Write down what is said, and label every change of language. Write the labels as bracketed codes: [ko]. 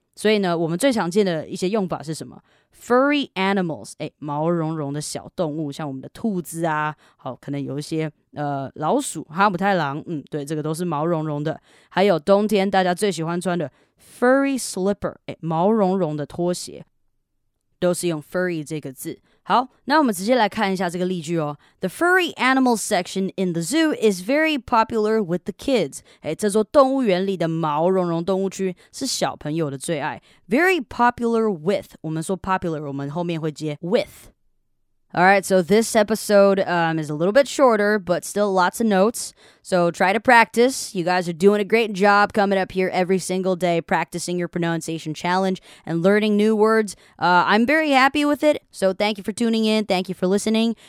[zh] 所以呢，我们最常见的一些用法是什么 ？ [en] Furry animals， [zh] 哎，毛茸茸的小动物，像我们的兔子啊，好，可能有一些老鼠、哈姆太郎，嗯，对，这个都是毛茸茸的。还有冬天大家最喜欢穿的 [en] furry slipper， [zh] 哎，毛茸茸的拖鞋，都是用 furry 这个字。好，那我们直接来看一下这个例句哦。 [en] The furry animal section in the zoo is very popular with the kids. [zh] 哎，这座动物园里的毛茸茸动物区是小朋友的最爱。 [en] Very popular with， [zh] 我们说 popular， 我们后面会接 with。 [en] All right, so this episode is a little bit shorter, but still lots of notes. So try to practice. You guys are doing a great job coming up here every single day, practicing your pronunciation challenge and learning new words. I'm very happy with it. So thank you for tuning in. Thank you for listening.